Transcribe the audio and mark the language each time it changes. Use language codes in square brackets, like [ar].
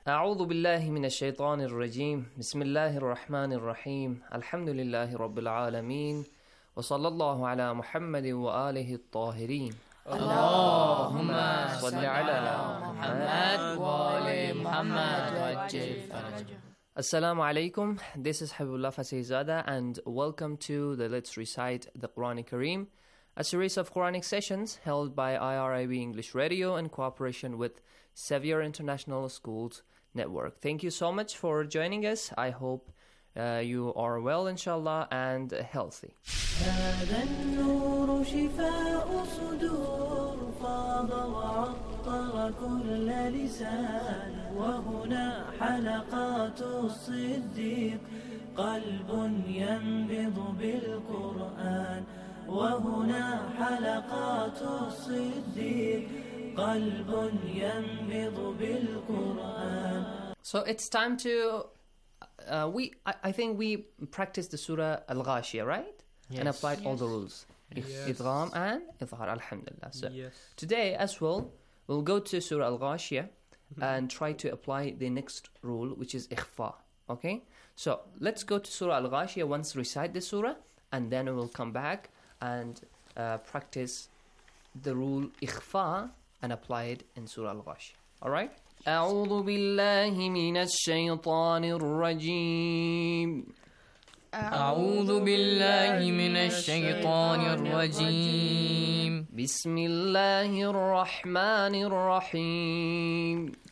[ar] أعوذ بالله من الشيطان الرجيم بسم الله الرحمن الرحيم الحمد لله رب العالمين وصلى الله على محمد وآله الطاهرين اللهم صل على محمد وآل محمد وأجل فرجه السلام عليكم [en] This is Habibullah Fasihzada and welcome to the Let's Recite the Quran Kareem A series of Quranic sessions held by IRIB English Radio in cooperation with Sevier International Schools Network. Thank you so much for joining us. I hope you are well, inshallah, and healthy. [ar] وهنا حلقات الصديق قلب ينبض بالقرآن [en] So it's time to I think we practice the surah Al-Ghashiyah, right? Yes. And applied yes. all the rules. Idgham and Idhar, alhamdulillah. So yes. today as well we'll go to surah Al-Ghashiyah and try to apply the next rule which is Ikhfa, okay? So let's go to surah Al-Ghashiyah once recite the surah and then we'll come back and practice the rule Ikhfa and apply it in Surah Al-Ghashiyah. All right? [ar] أعوذ بالله من الشيطان الرجيم أعوذ بالله من الشيطان الرجيم بسم الله الرحمن الرحيم